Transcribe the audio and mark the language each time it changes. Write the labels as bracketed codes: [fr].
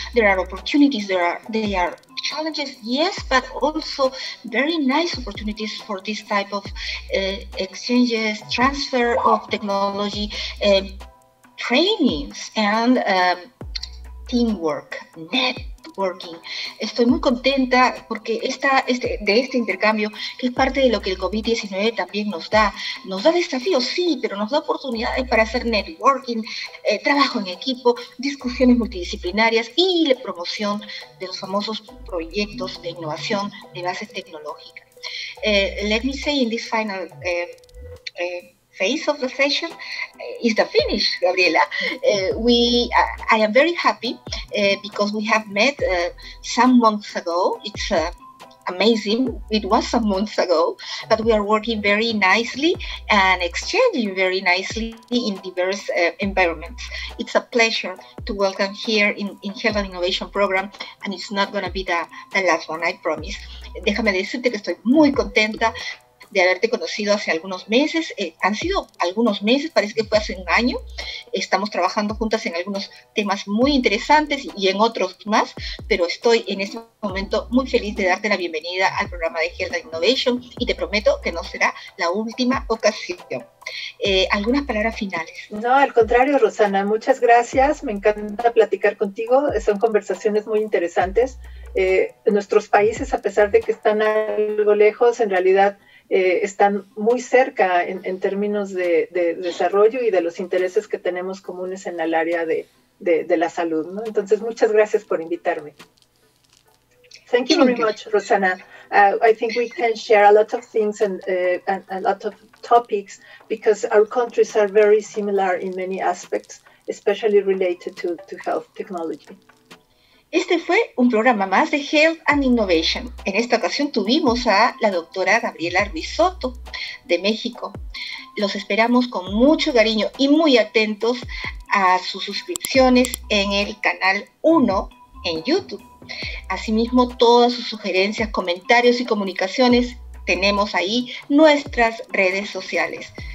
[en] There are opportunities, there are challenges, yes, but also very nice opportunities for this type of exchanges, transfer of technology, trainings, and teamwork, networking. [es] Estoy muy contenta porque este intercambio, que es parte de lo que el COVID-19 también nos da desafíos, sí, pero nos da oportunidades para hacer networking, trabajo en equipo, discusiones multidisciplinarias y la promoción de los famosos proyectos de innovación de bases tecnológicas. [en] Let me say in this final phase of the session is the finish, Gabriela. I am very happy because we have met some months ago. It's amazing. It was some months ago, but we are working very nicely and exchanging very nicely in diverse environments. It's a pleasure to welcome here in Health and Innovation Program, and it's not going to be the last one, I promise. [es] Déjame decirte que estoy muy contenta de haberte conocido hace algunos meses. Han sido algunos meses, parece que fue hace un año. Estamos trabajando juntas en algunos temas muy interesantes y en otros más, pero estoy en este momento muy feliz de darte la bienvenida al programa de Health Innovation y te prometo que no será la última ocasión. Algunas palabras finales. No, al contrario, Rosana, muchas gracias. Me encanta platicar contigo. Son conversaciones muy interesantes. Nuestros países, a pesar de que están algo lejos, en realidad están muy cerca en términos de desarrollo y de los intereses que tenemos comunes en el área de la salud, ¿no? Entonces, muchas gracias por invitarme. [en] Thank you very much, Rosana. I think we can share a lot of things and a lot of topics because our countries are very similar in many aspects, especially related to health technology. [es] Este fue un programa más de Health and Innovation. En esta ocasión tuvimos a la doctora Gabriela Ruiz Soto de México. Los esperamos con mucho cariño y muy atentos a sus suscripciones en el canal 1 en YouTube. Asimismo, todas sus sugerencias, comentarios y comunicaciones tenemos ahí nuestras redes sociales.